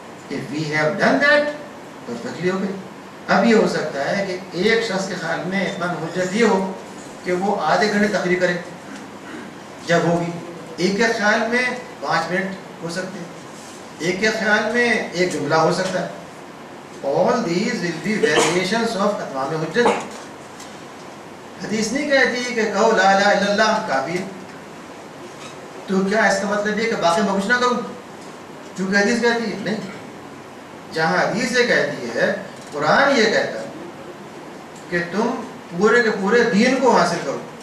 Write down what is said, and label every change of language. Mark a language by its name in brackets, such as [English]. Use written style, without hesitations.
[English] if we have done that perfectly [Urdu] ہو گئی. اب یہ ہو سکتا ہے کہ ایک شخص کے خیال میں اتنا حجت یہ ہو کہ وہ آدھے گھنٹے تقریر کرے جب ہوگی, ایک ایک خیال میں 5 منٹ ہو سکتے, ایک ایک خیال میں ایک جملہ ہو سکتا ہے. [English] All these will be variations of اتمام حجت. [Urdu] حدیث نہیں کہتی کہ کہو لا الہ الا اللہ کافی ہے, تو کیا اس کا مطلب یہ کہ باقی میں کچھ نہ کہوں چونکہ حدیث کہتی ہے؟ نہیں, جہاں حدیث یہ کہتی ہے قرآن یہ کہتا ہے کہ تم پورے کے پورے دین کو حاصل کرو.